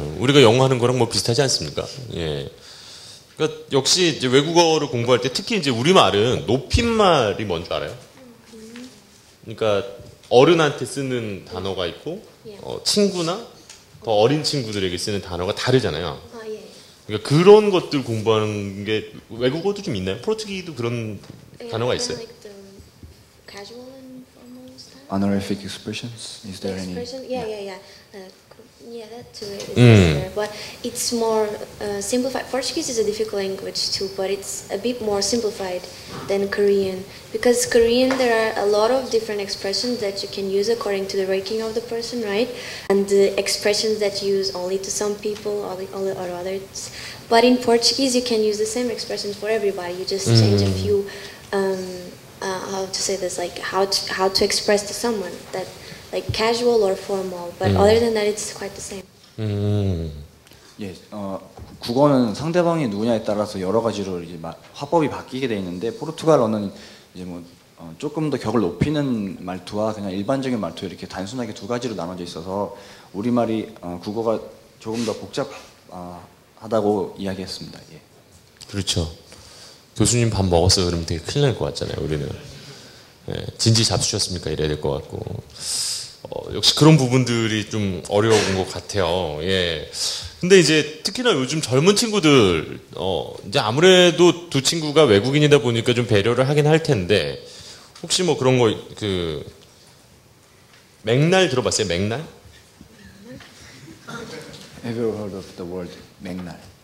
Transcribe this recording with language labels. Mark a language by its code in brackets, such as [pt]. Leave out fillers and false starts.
[ko] 우리가 영어 하는 거랑 뭐 비슷하지 않습니까? 예. 그러니까 역시 이제 외국어를 공부할 때 특히 이제 우리말은 높임말이 뭔지 알아요? 그러니까 어른한테 쓰는 단어가 있고 친구나 더 어린 친구들에게 쓰는 단어가 다르잖아요. 그러니까 그런 것들 공부하는 게 외국어도 좀 있나요? 포르투기도 그런 단어가 있어요. [en] Casual and formal style. Honorific expressions. Is there expression? Any? Yeah. That too is there. But it's more simplified. Portuguese is a difficult language too, but it's a bit more simplified than Korean. Because Korean, there are a lot of different expressions that you can use according to the ranking of the person, right? And the expressions that you use only to some people or others. But in Portuguese, you can use the same expressions for everybody. You just change a few. How to say this, like how to express to someone that like casual or formal, but other than that, it's quite the same. [ko] 예, 국어는 상대방이 누구냐에 따라서 여러 가지로 이제 화법이 바뀌게 돼 있는데 포르투갈어는 이제 뭐 조금 더 격을 높이는 말투와 그냥 일반적인 말투 이렇게 단순하게 두 가지로 나눠져 있어서 우리 말이 국어가 조금 더 복잡하다고 이야기했습니다. 예. 그렇죠. 교수님 밥 먹었어요? 그러면 되게 큰일 날 것 같잖아요, 우리는. 예, 진지 잡수셨습니까? 이래야 될 것 같고. 역시 그런 부분들이 좀 어려운 것 같아요. 예. 근데 이제 특히나 요즘 젊은 친구들, 이제 아무래도 두 친구가 외국인이다 보니까 좀 배려를 하긴 할 텐데, 혹시 뭐 그런 거, 맥날 들어봤어요? 맥날? [en] Have you heard of the word 맥날?